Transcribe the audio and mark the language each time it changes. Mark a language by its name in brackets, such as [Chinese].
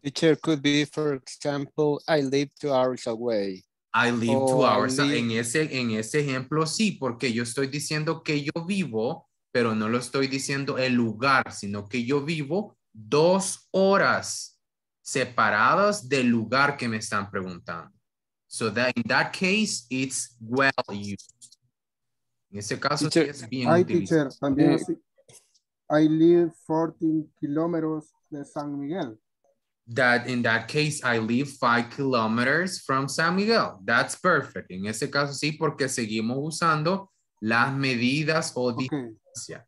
[English] Teacher, could be, for example, I live 2 hours away. I live 2 hours away. [Spanish] En ese ejemplo, sí, porque yo estoy diciendo que yo vivo, pero no lo estoy diciendo el lugar, sino que yo vivo 2 horas separadas del lugar que me están preguntando. [English] So that in that case, it's well used. [Spanish] En ese caso, [English] teacher, [Spanish] sí es bien utilizado. [English] Teacher, [Spanish] también [English] I live 14 kilometers de San Miguel. That in that case, I live 5 kilometers from San Miguel. That's perfect. [Spanish] En ese caso, sí, porque seguimos usando las medidas o distancia.